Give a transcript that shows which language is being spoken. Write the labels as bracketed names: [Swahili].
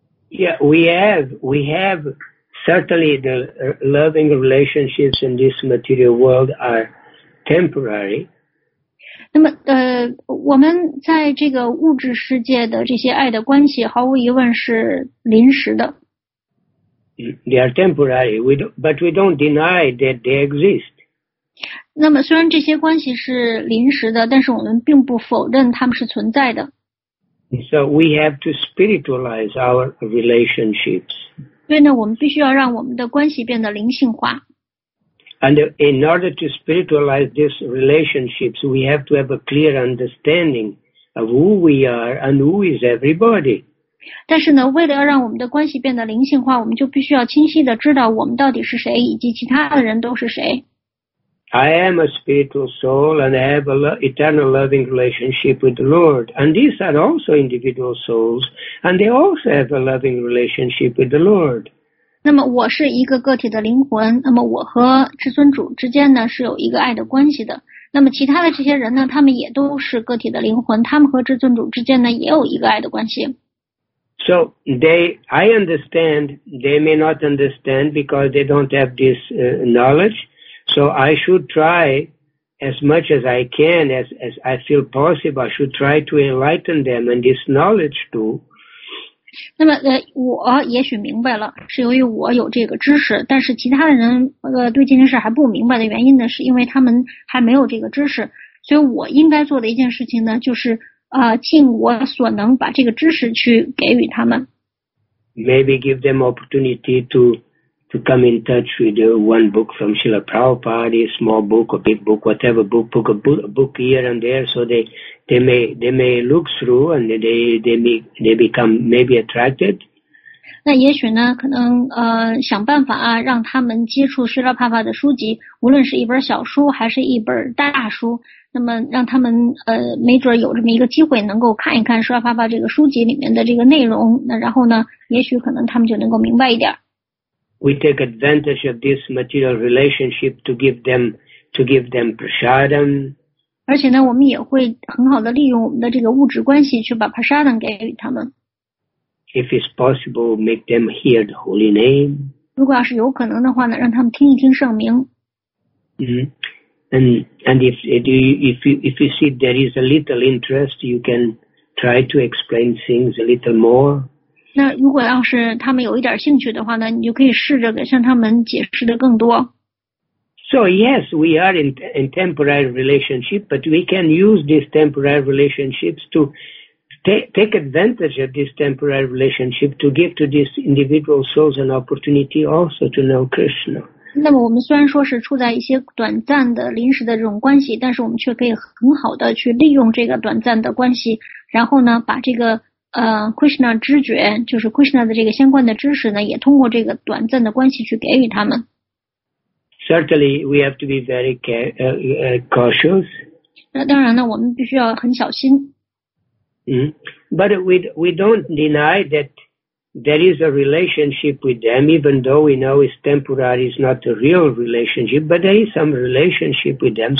[English] Yeah, we have certainly the loving relationships in this material world are temporary. [Chinese] 那么我们在这个物质世界的这些爱的关系毫无疑问是临时的。 [English] They are temporary, but we don't deny that they exist. [Chinese] 那么虽然这些关系是临时的，但是我们并不否认他们是存在的。 [English] So we have to spiritualize our relationships. [Chinese] 对呢，我们必须要让我们的关系变得灵性化。 [English] And in order to spiritualize these relationships, we have to have a clear understanding of who we are and who is everybody. [Chinese] 但是呢，为了要让我们的关系变得灵性化，我们就必须要清晰地知道我们到底是谁，以及其他的人都是谁。 [English] I am a spiritual soul and I have an eternal loving relationship with the Lord. And these are also individual souls and they also have a loving relationship with the Lord. [Chinese] 那么我是一个个体的灵魂，那么我和至尊主之间呢是有一个爱的关系的。那么其他的这些人呢，他们也都是个体的灵魂，他们和至尊主之间呢也有一个爱的关系。 [English] So I understand they may not understand because they don't have this knowledge. So I should try as much as I can, as I feel possible, I should try to enlighten them and this knowledge too. [Chinese] 那么我也许明白了，是由于我有这个知识，但是其他的人对这件事还不明白的原因呢，是因为他们还没有这个知识。所以我应该做的一件事情呢，就是尽我所能把这个知识去给予他们。 [English] Maybe give them opportunity to come in touch with the one book from Srila Prabhupada, small book or big book, whatever book, book here and there, so they may look through and they become maybe attracted. [Chinese] 那也许呢，可能想办法啊，让他们接触Srila Prabhupada的书籍，无论是一本小书还是一本大书，那么让他们没准有这么一个机会，能够看一看Srila Prabhupada这个书籍里面的这个内容，那然后呢，也许可能他们就能够明白一点。 [English] We take advantage of this material relationship to give them prasadam. [Chinese] 而且呢，我们也会很好的利用我们的这个物质关系去把prasadam给予他们。 [English] If it's possible, make them hear the holy name. [Chinese] 如果要是有可能的话呢，让他们听一听圣名。 [English] And if you see there is a little interest, you can try to explain things a little more. [Chinese] 那如果要是他们有一点兴趣的话呢，你就可以试着给向他们解释的更多。 [English] So yes, we are in temporary relationship, but we can use these temporary relationships to take advantage of this temporary relationship to give to these individual souls an opportunity also to know Krishna. [Chinese] 那么我们虽然说是处在一些短暂的临时的这种关系，但是我们却可以很好的去利用这个短暂的关系，然后呢，把这个Krishna 知觉，就是 Krishna 的这个相关的知识呢，也通过这个短暂的关系去给予他们。 [English] Certainly, we have to be very cautious. [Chinese] 那当然呢，我们必须要很小心。 [English] But we don't deny that there is a relationship with them, even though we know it's temporary, it's not a real relationship, but there is some relationship with them.